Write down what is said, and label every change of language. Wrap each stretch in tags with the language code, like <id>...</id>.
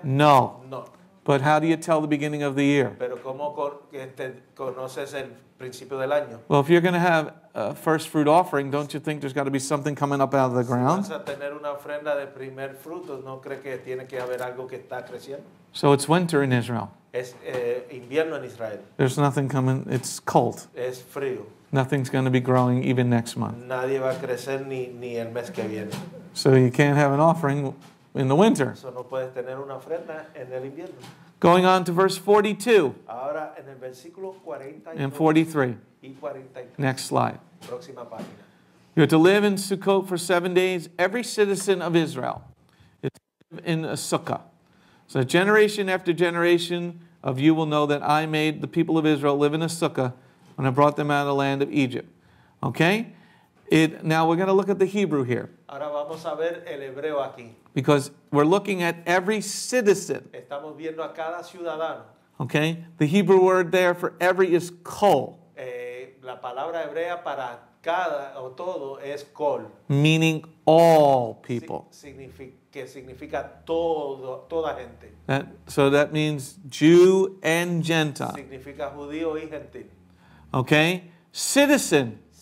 <en>No. No. But how do you tell the beginning of the year?</en> <es>Pero ¿cómo conoces el principio del año?</es> <en>Well, if you're going to have a first fruit offering, don't you think there's got to be something coming up out of the ground?</en> <es>Si vas a tener una ofrenda de primer fruto, ¿no crees que tiene que haber algo que está creciendo?</es> <en>So it's winter in Israel.</en> <es>Es invierno en Israel.</es> <en>There's nothing coming. It's cold.</en> <es>Es frío.</es> <en>Nothing's going to be growing even next month.</en> <es>Nadie va a crecer ni el mes que viene.</es> <en>So you can't have an offering in the winter.</en> <es>So no puedes tener una ofrenda en el invierno.</es> <en>Going on to verse 42.</en> <es>Ahora en el versículo 42</es> <en>and 43.</en> <es>Y 43.</es> <en>Next slide.</en> <es>Próxima página.</es> <en>You're to live in Sukkot for 7 days. Every citizen of Israel is to live in a sukkah. So generation after generation of you will know that I made the people of Israel live in a sukkah when I brought them out of the land of Egypt. Okay? Now we're going to look at the Hebrew here.</en> <es>Ahora vamos a ver el hebreo aquí.</es> <en>Because we're looking at every citizen.</en> <es>Estamos viendo a cada ciudadano. Okay?</es> <en>The Hebrew word there for every is kol.</en> <es>La palabra hebrea para cada o todo es kol.</es> <en>Meaning all people.</en> <es>Que significa todo, toda gente.</es> <en>So that means Jew and Gentile.</en> <es>Significa judío y gentil.</es> <en>Okay? Citizen.</en>